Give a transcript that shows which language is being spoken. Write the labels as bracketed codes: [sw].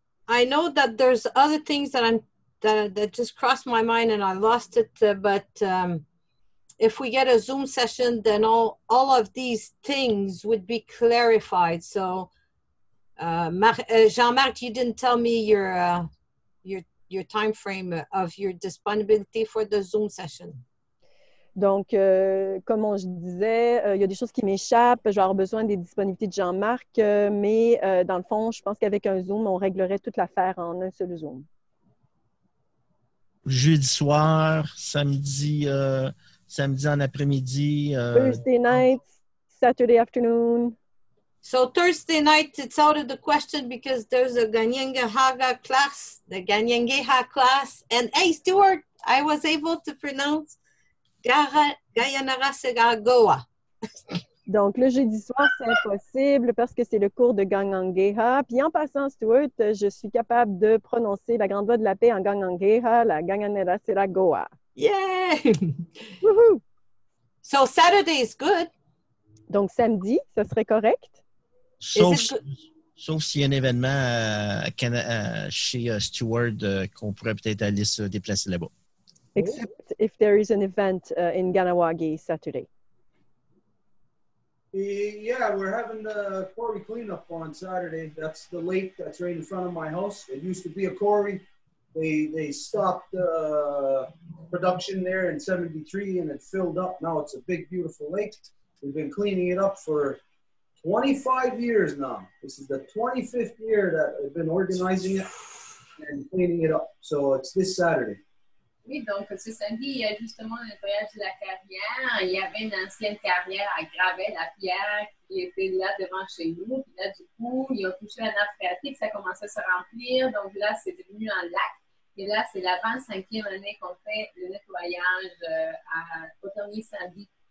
[en] I know that there's other things that I'm that just crossed my mind and I lost it, but if we get a Zoom session, then all of these things would be clarified. So Jean-Marc, you didn't tell me your time frame of your disponibility for the Zoom session. [fr] Donc, comme je disais, il y a des choses qui m'échappent. Je vais avoir besoin des disponibilités de Jean-Marc, mais dans le fond, je pense qu'avec un Zoom, on réglerait toute l'affaire en un seul Zoom. Jeudi soir, samedi en après-midi. [en] Thursday night, Saturday afternoon. So Thursday night, it's out of the question because there's a Ganyengeha class. And hey, Stuart, I was able to pronounce Gayanara Segagoa. [fr] Donc, le jeudi soir, c'est impossible parce que c'est le cours de Ganyengeha. Puis en passant, Stuart, je suis capable de prononcer la grande voix de la paix en Ganyengeha, la Gayanara Segagoa. [en] Yay! Woohoo! So Saturday is good. [fr] Donc, samedi, ce serait correct. Sauf s'il y a un événement chez Stuart qu'on pourrait peut-être aller se déplacer là-bas. [en] Except if there is an event in Ganawagi Saturday. Yeah, we're having the quarry cleanup on Saturday. That's the lake that's right in front of my house. It used to be a quarry. They stopped production there in 73 and it filled up. Now it's a big, beautiful lake. We've been cleaning it up for 25 years now. This is the 25th year that I've been organizing it and cleaning it up. So it's this Saturday. [fr] Oui, donc ce samedi, il y a justement le voyage de la carrière. Il y avait une ancienne carrière à Gravel, la pierre, qui était là devant chez nous. Puis là, du coup, ils ont touché la nappe phréatique, ça commençait à se remplir. Donc là, c'est devenu un lac. Et là, c'est la 25e année qu'on fait le nettoyage au dernier samedi.